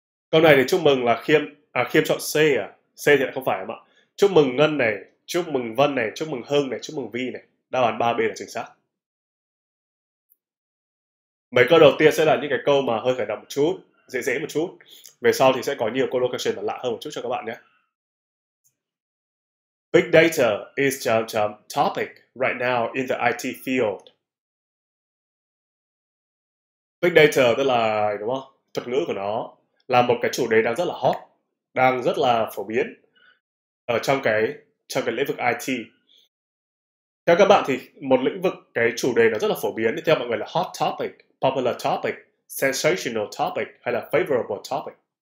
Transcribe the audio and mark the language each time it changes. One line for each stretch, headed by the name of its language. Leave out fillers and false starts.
Vietnamese: Câu này thì chúc mừng là Khiêm, à Khiêm chọn C à? C thì lại không phải em ạ. Chúc mừng Ngân này, chúc mừng Vân này, chúc mừng Hưng này, chúc mừng Vi này. Đáp án 3B là chính xác. Mấy câu đầu tiên sẽ là những cái câu mà hơi khởi động một chút, dễ dễ một chút. Về sau thì sẽ có nhiều collocation và lạ hơn một chút cho các bạn nhé.
English: Big data is the topic right now in the IT field.
Vietnamese: Big data tức là đúng không? Thuật ngữ của nó là một cái chủ đề đang rất là hot, đang rất là phổ biến ở trong cái lĩnh vực IT. Theo các bạn thì một lĩnh vực cái chủ đề nó rất là phổ biến thì theo mọi người là
English: hot topic, popular topic, sensational topic
Vietnamese: hay là favorable topic.